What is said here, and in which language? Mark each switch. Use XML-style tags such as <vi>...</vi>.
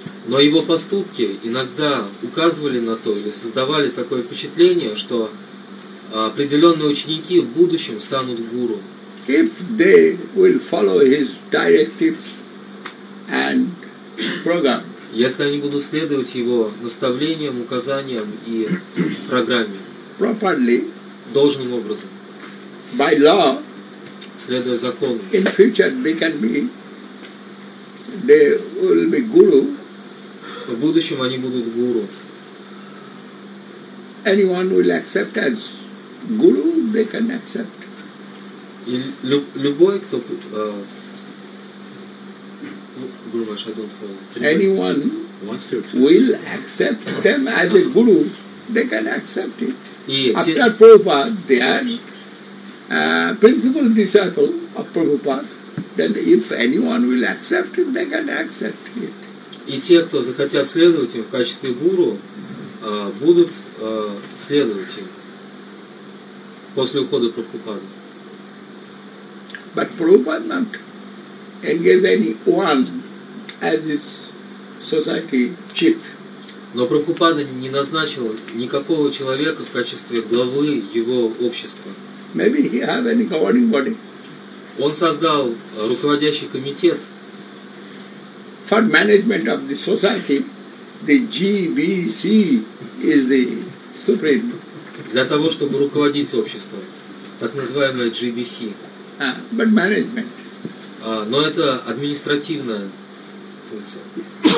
<ru>Но его поступки иногда указывали на то или создавали такое впечатление, что определенные ученики в будущем станут гуру.</ru> <en>If they will follow his directives and program.</en> <ru>Если они будут следовать его наставлениям, указаниям и программе.</ru> <en>Properly.</en> <ru>Должным образом.</ru> <en>By law.</en> <ru>Следуя закону.</ru> <en>In future they can be. They will be guru.</en> <ru>В будущем они будут гуру.</ru> <en>Anyone will accept as guru, they can accept.</en> <ru>И любой, кто Guru Maharaj,</ru> <en>I don't follow. Anyone wants to accept will accept them as a guru, they can accept it. After Prabhupada, they are principal disciple of Prabhupada. Then if anyone will accept it, they can accept it.</en> <ru>И те, кто захотят следовать им в качестве гуру, будут следовать им после ухода Прабхупады.</ru> <en>But Prabhupada not engage anyone as his society chief.</en> <ru>Но Прабхупада не назначил никакого человека в качестве главы его общества.</ru> <en>Maybe he has any governing body.</en> <ru>Он создал руководящий комитет.</ru> <en>For management of the society, the GBC is the supreme.</en> <ru>Для того, чтобы руководить обществом, так называемое GBC.</ru> <en>But management.</en> <ru>Но это административная функция.</ru>